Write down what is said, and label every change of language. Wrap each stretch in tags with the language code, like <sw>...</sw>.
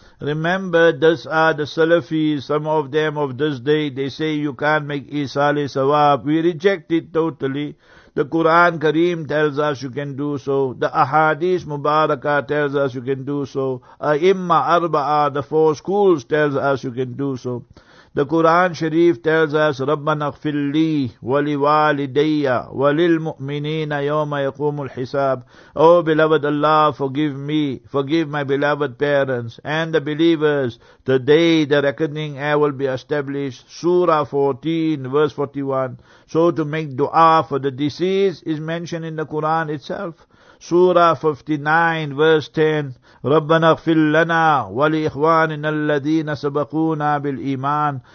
<en>Remember, these are the Salafis, some of them of this day, they say you can't make Isale Sawab. We reject it totally. The Quran Kareem tells us you can do so. The Ahadith Mubarakah tells us you can do so. Imma Arba'a, the four schools, tells us you can do so. The Quran Sharif tells us,</en> <ar>رَبَّنَا اغْفِرْ لِي وَلِوَالِدَيَّ وَلِلْمُؤْمِنِينَ يَوْمَ يَقُومُ الْحِسَابِ.</ar> <en>Oh, beloved Allah, forgive me, forgive my beloved parents and the believers, the day the reckoning hour will be established. Surah 14, verse 41. So to make dua for the deceased is mentioned in the Quran itself. Surah 59, verse 10.</en> <ar>رَبَّنَا اغْفِرْ لَنَا وَلِإِخْوَانِنَا الَّذِينَ سَبَقُونَا بِالْإِيمَانِ.</ar>